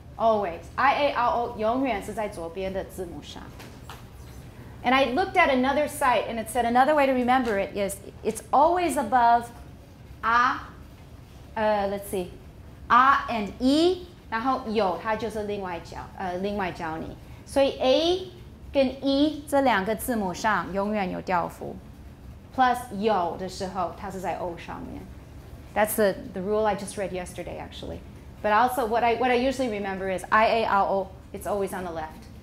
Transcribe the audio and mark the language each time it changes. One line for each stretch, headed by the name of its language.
Chinese: Always. I-A-R-O 永远是在左边的字母上.
English: And I looked at another site, and it said another way to remember it is it's always above A, let's see, A and E,
Chinese: 然后有它就是另外教你. 所以 A 跟 E 这两个字母上永远有调幅.
English: Plus
Chinese: 有的时候它是在O上面.
English: That's the rule I just read yesterday, actually. But also, what I usually remember is I-A-R-O, it's always on the left.